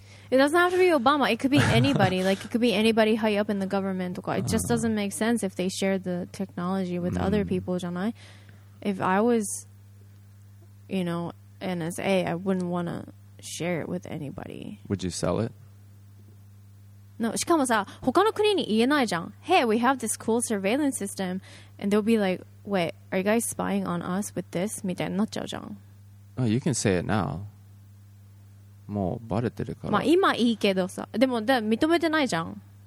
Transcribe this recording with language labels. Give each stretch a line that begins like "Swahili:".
English: It doesn't have to be Obama. It could be anybody. Like, it could be anybody high up in the government. It just doesn't make sense if they share the technology with other people,
Japanese: janai.
English: If I was, you know, NSA, I wouldn't want to share it with anybody. Would you sell it? No.
Japanese: しかもさ、他の国に言えないじゃん。
English: Hey, we have this cool surveillance system. And they'll be like, wait, are you guys spying on us with this?
Japanese: みたいになっちゃうじゃん。
English: Oh, you can say it now.
Japanese: もうバレてるから。まあ今いいけどさ。でも認めてないじゃん。